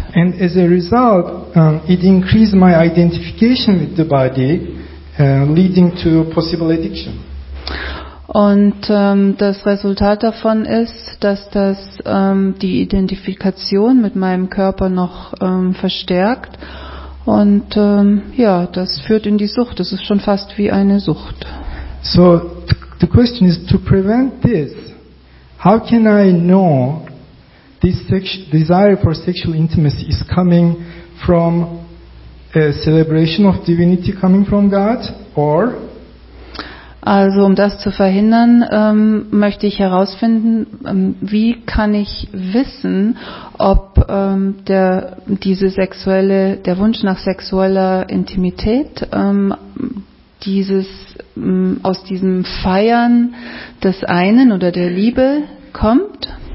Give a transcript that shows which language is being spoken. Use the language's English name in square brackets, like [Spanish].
[English] And as a result, it increased my identification with the body, leading to a possible addiction. [German] Und das Resultat davon ist, dass das die Identifikation mit meinem Körper noch verstärkt. Und ja, das führt in die Sucht. Das ist schon fast wie eine Sucht. [English] So, the question is to prevent this. How can I know this desire for sexual intimacy is coming from a celebration of divinity coming from God or? [German] Also um das zu verhindern, möchte ich herausfinden, wie kann ich wissen, ob der Wunsch nach sexueller Intimität aus diesem Feiern des Einen oder der Liebe kommt?